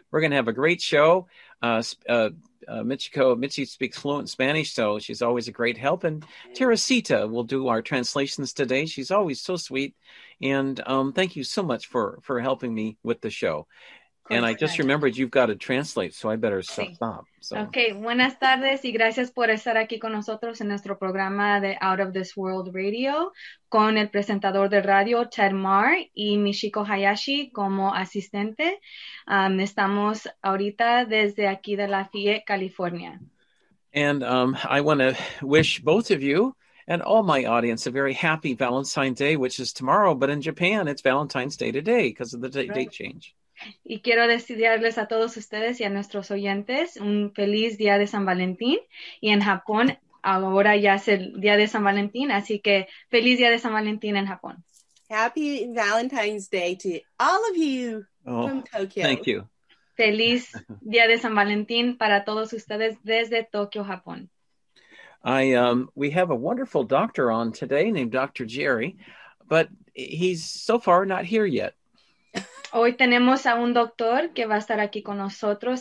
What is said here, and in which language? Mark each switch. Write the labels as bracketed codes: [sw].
[en] We're going to have a great show. Michi speaks fluent Spanish, so she's always a great help. And Teresita will do our translations today. She's always so sweet. And thank you so much for helping me with the show. And I just remembered you've got to translate, so I better stop. So. [es] Okay, buenas tardes y gracias por estar aquí con nosotros en nuestro programa de Out of This World Radio con el presentador de radio Ted Marr y Michiko Hayashi como asistente. Estamos ahorita desde aquí de Lafayette, California. [en] And I want to wish both of you and all my audience a very happy Valentine's Day, which is tomorrow, but in Japan it's Valentine's Day today because of the date change. [es] Y quiero desearles a todos ustedes y a nuestros oyentes un feliz día de San Valentín. Y en Japón, ahora ya es el día de San Valentín, así que feliz día de San Valentín en Japón. [en] Happy Valentine's Day to all of you from Tokyo. Thank you. [es] Feliz día de San Valentín para todos ustedes desde Tokio, Japón. [en] We have a wonderful doctor on today named Dr. Jerry, but he's so far not here yet. [es] Hoy tenemos a un doctor que va a estar aquí con nosotros.